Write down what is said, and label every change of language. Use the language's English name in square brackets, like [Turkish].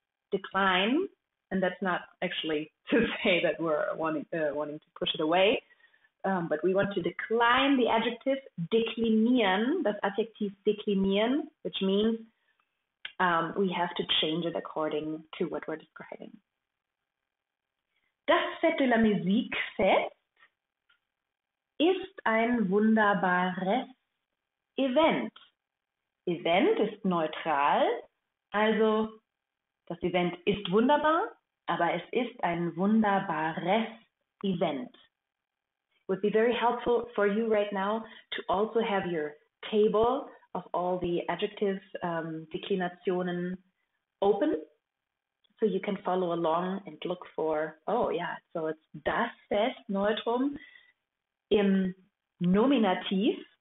[English] Decline, and that's not actually to say that we're wanting to push it away, but we want to decline the adjective [German] deklinieren, das Adjektiv deklinieren, [English] which means we have to change it according to what we're describing. [German] Das Fête de la Musique Fest ist ein wunderbares Event. Event ist neutral, also das Event ist wunderbar, aber es ist ein wunderbares Event. [English] Would be very helpful for you right now to also have your table of all the adjective declinationen open so you can follow along and look for, oh yeah, so it's [German] das Fest Neutrum im Nominativ.